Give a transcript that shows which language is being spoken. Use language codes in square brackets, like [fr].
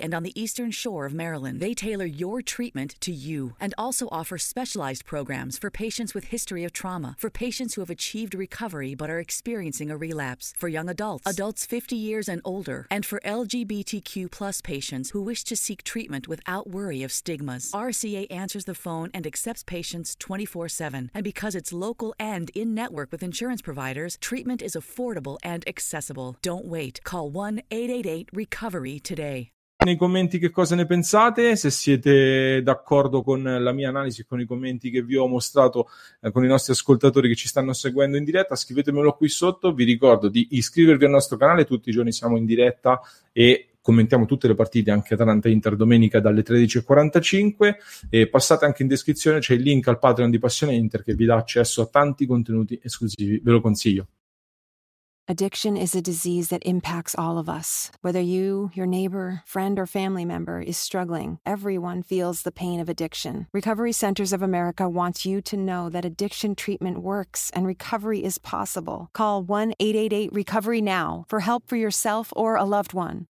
[en] and on the eastern shore of Maryland, they tailor your treatment to you and also offer specialized programs for patients with history of trauma, for patients who have achieved recovery but are experiencing a relapse, for young adults, adults 50 years and older, and for LGBTQ plus patients who wish to seek treatment without worry of stigmas. RCA answers the phone and accepts patients 24/7. And because it's local and in-network with insurance providers, treatment is affordable and accessible. Don't wait. Call 1-888-RECOVERY. Today. [it] Nei commenti che cosa ne pensate, se siete d'accordo con la mia analisi, con i commenti che vi ho mostrato, con i nostri ascoltatori che ci stanno seguendo in diretta, scrivetemelo qui sotto. Vi ricordo di iscrivervi al nostro canale, tutti i giorni siamo in diretta e commentiamo tutte le partite, anche Atalanta Inter domenica dalle 13.45, e passate anche in descrizione, c'è il link al Patreon di Passione Inter che vi dà accesso a tanti contenuti esclusivi, ve lo consiglio. [en] Addiction is a disease that impacts all of us. Whether you, your neighbor, friend, or family member is struggling, everyone feels the pain of addiction. Recovery Centers of America wants you to know that addiction treatment works and recovery is possible. Call 1-888-RECOVERY now for help for yourself or a loved one.